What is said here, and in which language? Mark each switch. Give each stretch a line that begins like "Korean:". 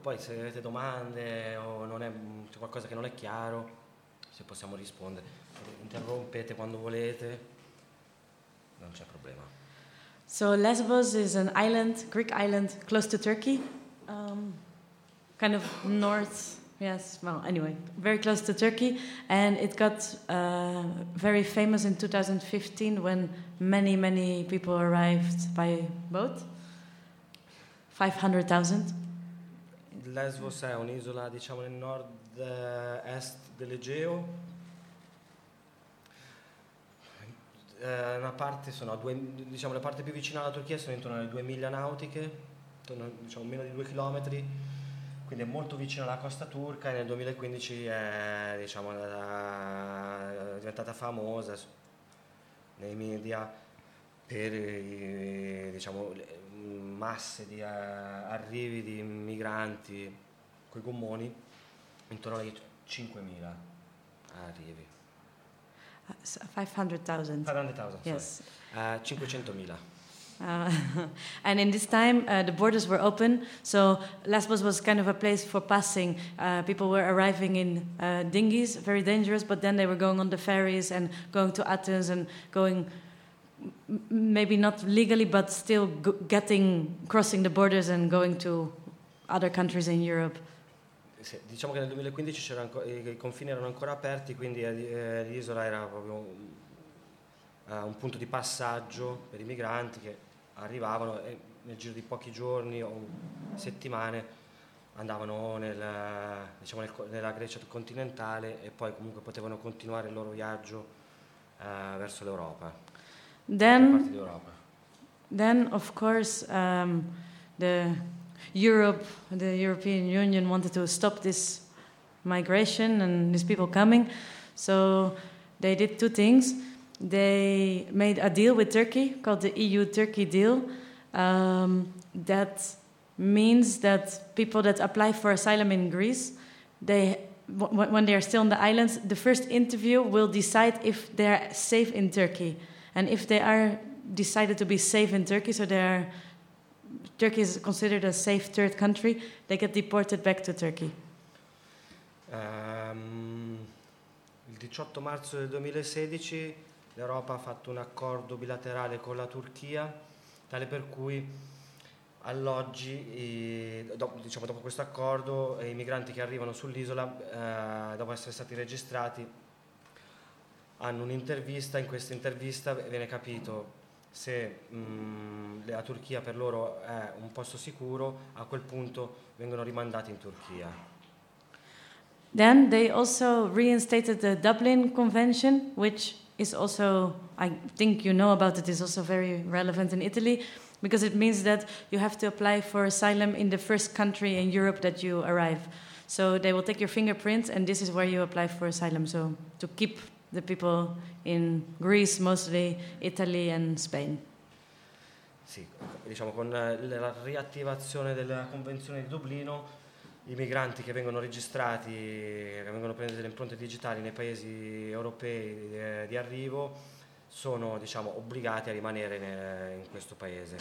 Italian: Poi se avete domande o non è, c'è qualcosa che non è chiaro, se possiamo rispondere. Interrompete quando volete. Non c'è problema.
English: So Lesbos is an island, Greek island, close to Turkey, kind of north, yes, well, anyway, very close to Turkey, and it got very famous in 2015 when many, many people arrived by boat, 500,000.
Italian: Lesbos è un'isola, diciamo, nel nord-est dell'Egeo. Una parte sono a due, diciamo la parte più vicina alla Turchia sono intorno alle 2 miglia nautiche, intorno, diciamo meno di 2 chilometri, quindi è molto vicino alla costa turca, e nel 2015 è diciamo è diventata famosa nei media per diciamo masse di arrivi di migranti coi gommoni, intorno alle 5.000 arrivi.
English: 500,000. 500,000, yes. 500,000. And in this time, the borders were open, so Lesbos was kind of a place for passing. People were arriving in dinghies, very dangerous, but then they were going on the ferries and going to Athens and going, maybe not legally, but still crossing the borders and going to other countries in Europe.
Italian: Sì, diciamo che nel 2015 i confini erano ancora aperti, quindi l'isola era proprio un punto di passaggio per i migranti che arrivavano e nel giro di pochi giorni o settimane andavano nella Grecia continentale e poi comunque potevano continuare il loro viaggio verso l'Europa. Then, parte d'Europa.
English: Then of course the European Union wanted to stop this migration and these people coming, so they did two things. They made a deal with Turkey called the EU-Turkey deal. That means that people that apply for asylum in Greece, when they are still on the islands, the first interview will decide if they are safe in Turkey. And if they are decided to be safe in Turkey, so they are... Turkey is considered a safe third country, they get deported back to Turkey.
Italian: Il 18 marzo del 2016 l'Europa ha fatto un accordo bilaterale con la Turchia, tale per cui alloggi, dopo questo accordo, i migranti che arrivano sull'isola, dopo essere stati registrati, hanno un'intervista. In questa intervista viene capito se la Turchia per loro è un posto sicuro, a quel punto vengono rimandati in Turchia.
English: Then they also reinstated the Dublin Convention, which is also, I think you know about it, is also very relevant in Italy, because it means that you have to apply for asylum in the first country in Europe that you arrive. So they will take your fingerprints and this is where you apply for asylum, so to keep the people in Greece, mostly Italy and Spain.
Italian: Sì, diciamo con la riattivazione della Convenzione di Dublino, i migranti che vengono registrati, che vengono presi delle impronte digitali nei paesi europei di arrivo, sono diciamo obbligati a rimanere in questo paese.